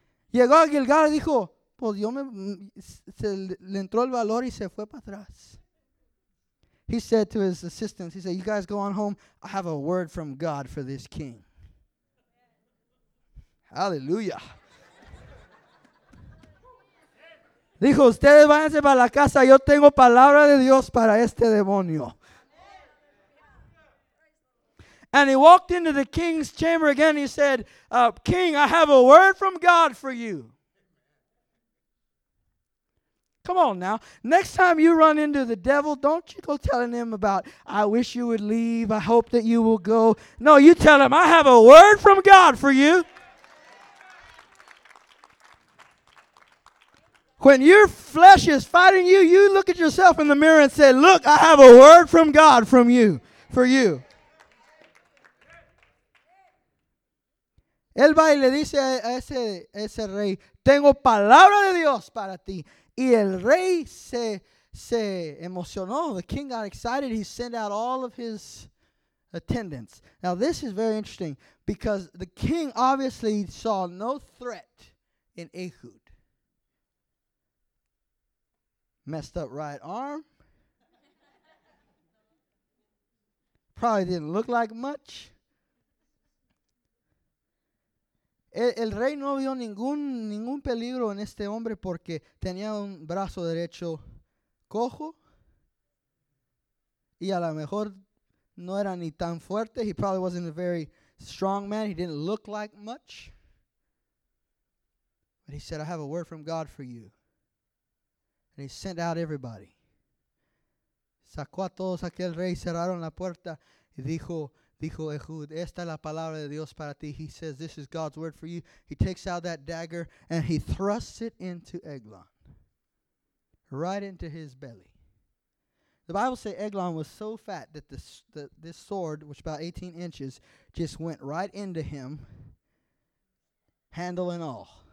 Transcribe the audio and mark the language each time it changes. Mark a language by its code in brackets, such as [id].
[es] Llegó a Gilgal y dijo, pues yo se le entró el valor y se fue para atrás. [en] He said to his assistants, he said, you guys go on home. I have a word from God for this king. Hallelujah. [es] Dijo, ustedes váyanse para la casa. Yo tengo palabra de Dios para este demonio. [en] And he walked into the king's chamber again. He said, King, I have a word from God for you. Come on now. Next time you run into the devil, don't you go telling him about, I wish you would leave. I hope that you will go. No, you tell him, I have a word from God for you. When your flesh is fighting you, you look at yourself in the mirror and say, look, I have a word from God from you, for you. [es] Él va y le dice a ese rey, tengo palabra de Dios para ti. Y el rey se emocionó. [en] The king got excited. He sent out all of his attendants. Now, this is very interesting because the king obviously saw no threat in Ehud. Messed up right arm. Probably didn't look like much. [es] El rey no vio ningún peligro en este hombre porque tenía un brazo derecho cojo. Y a lo mejor no era ni tan fuerte. [en] He probably wasn't a very strong man. He didn't look like much. But he said, I have a word from God for you. And he sent out everybody. [es] Sacó a todos aquel rey, cerraron la puerta, y dijo Ehud, esta es la palabra de Dios para ti. [en] He says, this is God's word for you. He takes out that dagger, and he thrusts it into Eglon, right into his belly. The Bible says Eglon was so fat that this sword, which is about 18 inches, just went right into him, handle and all.